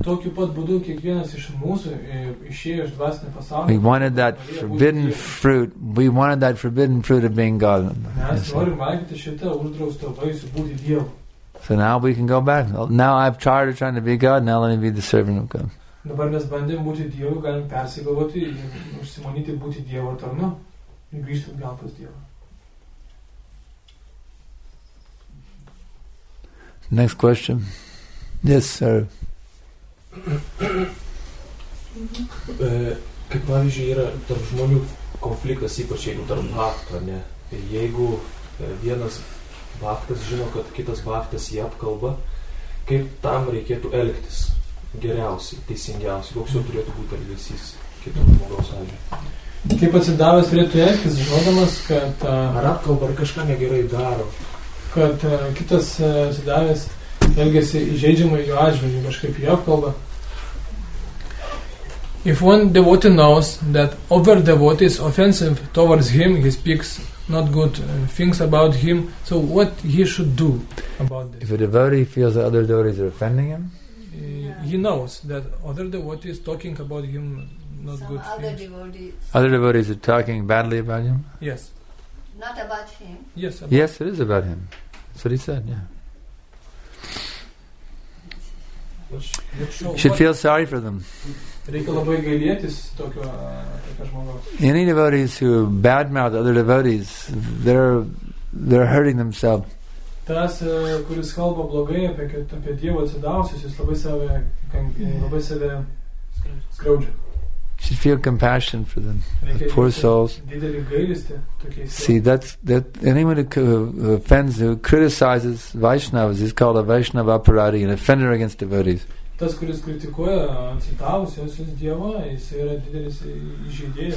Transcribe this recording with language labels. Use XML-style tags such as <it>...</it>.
<en>We wanted that forbidden fruit. We wanted that forbidden fruit of being God. So now we can go back. Now I've tired of trying to be God. Now let me be the servant of God.</en> <lt>Dabar mes bandėm būti Dievu, galim persigalvoti ir užsimonyti būti Dievo tarnu ir grįžti atgal pas Dievą.</lt> <en>Next question. Yes, sir.</en> <lt>Kaip pavyzdžiui, yra tarp žmonių konfliktas, ypač jeigu tarp vakto, ne? Jeigu vienas vaktas žino, kad kitas vaktas jį apkalba, kaip tam reikėtų elgtis? Geriausiai, teisingiausiai, koks jau turėtų būti elgesys kitų žmogaus atžvilgiu. Kaip atsidavęs turėtų elgtis, žinodamas, kad... Ar apkalba, ar kažką negerai daro? Kad kitas atsidavęs elgesi įžeidžiamai jo atžvilgiu, kažkaip jį apkalba.</lt> <en>If one devotee knows that other devotee is offensive towards him, he speaks not good things about him, so what he should do about this? If a devotee feels that other devotees are offending him, he knows that other devotees talking about him not some good things. Other devotees are talking badly about him? Yes. Not about him? Yes. About yes, it is about him. That's what he said, yeah. You should feel sorry for them. Any devotees who badmouth other devotees, they're hurting themselves.</en> <lt>Tas, kuris kalba blogai apie Dievo atsidavusius, jis labai save skriaudžia.</lt> <en>You should feel compassion for them, the poor souls. See, that's anyone who offends, who criticizes Vaishnavas is called a Vaishnava aparati, an offender against devotees.</en> <lt>Tas, kuris kritikuoja atsidavusius Dievą, jis yra didelis įžeidėjas.</lt>